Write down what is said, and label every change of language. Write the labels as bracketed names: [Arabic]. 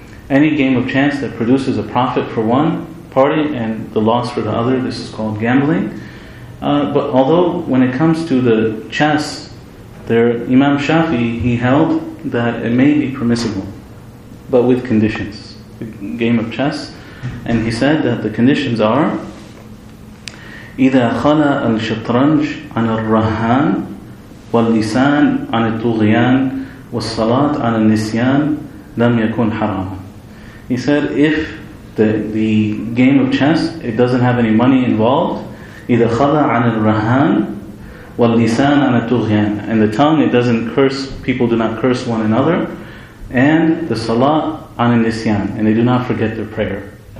[English] Any game of chance that produces a profit for one party and the loss for the other, this is called gambling. But although when it comes to the chess, there Imam Shafi, he held that it may be permissible, but with conditions, the game of chess. And he said that the conditions are, [Arabic] إِذَا خَلَى الْشَطْرَنْجِ عَنَ الرَّهَانِ وَاللِّسَانِ عَنَ الطُّغْيَانِ وَالصَّلَاةِ عَنَ النِّسْيَانِ لَمْ يَكُنْ حَرَامًا. [English] He said, if the game of chess, it doesn't have any money involved, either [Arabic] خَلَى عَنَ الرَّهَانِ وَاللِّسَانِ عَنَ الطُّغْيَانِ, [English] and the tongue, it doesn't curse, people do not curse one another, and the salat [Arabic] عَنَ النِّسْيَانِ, [English] and they do not forget their prayer.